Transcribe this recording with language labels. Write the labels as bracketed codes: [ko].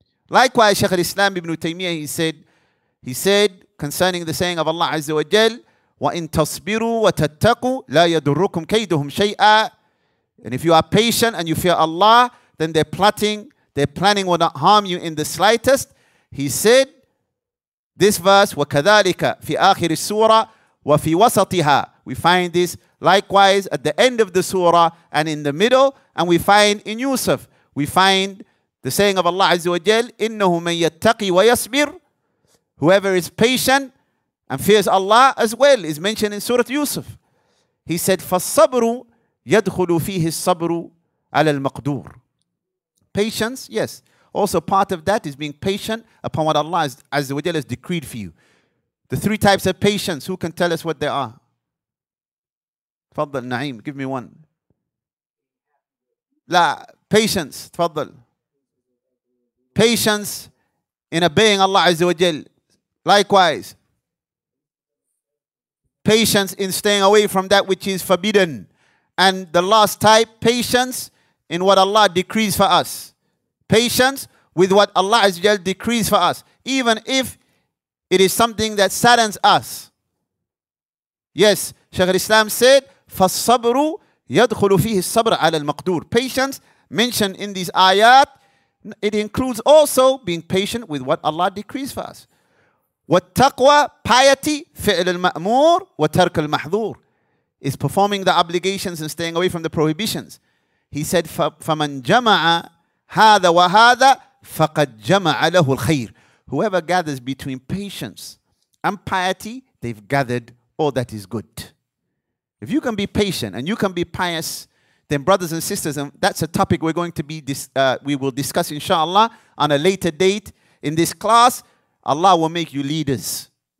[en] Likewise, Shaykh al-Islam ibn Taymiyyah, he said concerning the saying of Allah Azza wa Jal, [ar] وَإِنْ تَصْبِرُوا وَتَتَّقُوا لَا يَدُرُّكُمْ كَيْدُهُمْ شَيْئًا. [en] And if you are patient and you fear Allah, then their planning will not harm you in the slightest. He said this verse, [ar] وَكَذَلِكَ فِي آخِرِ السُّورَةِ وَفِي وَسَطِهَا. [en] We find this likewise at the end of the surah and in the middle, and we find in Yusuf, we find the saying of Allah Azza wa Jal, [ar] إِنَّهُ مَنْ يَتَّقِي وَيَصْبِرُ. [en] Whoever is patient and fears Allah as well is mentioned in Surah Yusuf. He said, [ar] فَالصَّبْرُ يَدْخُلُ فِيهِ الصَّبْرُ عَلَى الْمَقْدُورِ. [en] Patience, yes. Also part of that is being patient upon what Allah Azza wa Jalla has decreed for you. The three types of patience, who can tell us what they are? [ar] تفضل [en] نعيم, give me one. La, patience, [ar] تفضل. [en] Patience in obeying Allah Azza wa Jalla. Likewise, patience in staying away from that which is forbidden. And the last type, patience in what Allah decrees for us. Patience with what Allah Azza wa Jalla decrees for us, even if it is something that saddens us. Yes, Shaykh al-Islam said, [ar] فَالصَّبْرُ يَدْخُلُ فِيهِ الصَّبْرَ عَلَى الْمَقْدُورِ. [en] Patience mentioned in these ayat, it includes also being patient with what Allah decrees for us. [ar] وَالتَّقْوَى [en] piety, [ar] فِعْلُ الْمَأْمُورِ وَتَرْكُ الْمَحْذُورِ, [en] is performing the obligations and staying away from the prohibitions. He said, [ar] فَمَنْ جَمَعَ هَذَا وَهَذَا فَقَدْ جَمَعَ لَهُ الْخَيْرِ. [en] Whoever gathers between patience and piety, they've gathered all that is good. If you can be patient and you can be pious, then brothers and sisters, and that's a topic we're going to be discuss inshallah on a later date in this class, Allah will make you leaders.